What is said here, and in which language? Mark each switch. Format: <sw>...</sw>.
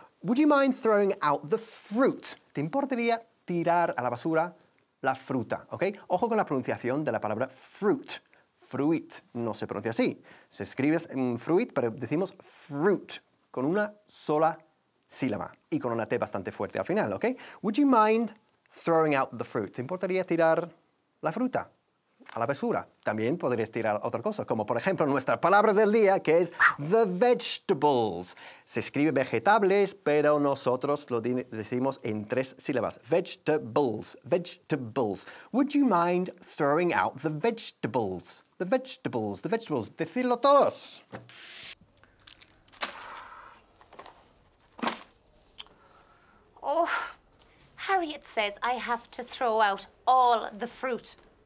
<en>Would you mind throwing out the fruit?</en> <es>¿Te importaría tirar a la basura la fruta? ¿Ok? Ojo con la pronunciación de la palabra fruit. Fruit. No se pronuncia así. Se escribe fruit, pero decimos fruit con una sola sílaba y con una T bastante fuerte al final, ¿ok?</es> <en>Would you mind throwing out the fruit?</en> <es>¿Te importaría tirar la fruta a la basura? También podrías tirar otra cosa, como por ejemplo nuestra palabra del día, que es the vegetables. Se escribe vegetables, pero nosotros lo decimos en tres sílabas.</es> <en>Vegetables, vegetables. Would you mind throwing out the vegetables? The vegetables, the vegetables.</en> <es>Decidlo todos.</es> <en>Oh, Harriet says I have to throw out all the fruit.</en>